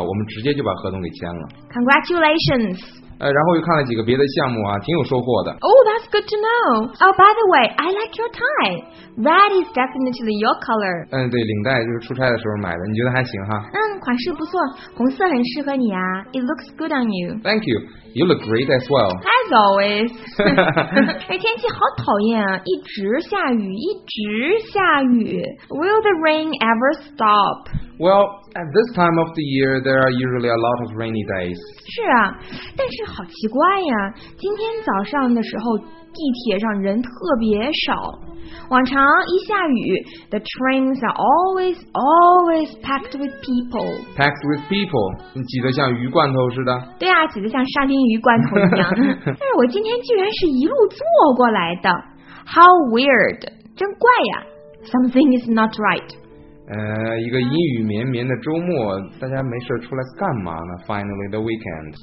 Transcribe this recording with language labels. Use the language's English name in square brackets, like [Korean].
[Chinese] 我们直接就把合同给签了。 [English] Congratulations. [Chinese] 然后又看了几个别的项目啊，挺有收获的。 [English] Oh, that's good to know. Oh, by the way, I like your tie. Red is definitely your color. [Chinese] 对，领带就是出差的时候买的，你觉得还行哈？嗯，款式不错，红色很适合你啊。 [English] It looks good on you. Thank you. You look great as well. As always. [Chinese] 天气好讨厌啊，一直下雨，一直下雨。 [English] Will the rain ever stop? Stop. Well, at this time of the year, there are usually a lot of rainy days. [Chinese] 是啊，但是好奇怪呀，今天早上的时候，地铁上人特别少。往常一下雨 [English] ，the trains are always packed with people. Packed with people， [Chinese] 挤得像鱼罐头似的。对啊，挤得像沙丁鱼罐头一样。但是我今天居然是一路坐过来的。 [English] How weird， [Chinese] 真怪呀。 [English] Something is not right. [Chinese] 一个阴雨绵绵的周末，大家没事出来干嘛呢 ？ [English] Finally, the weekend.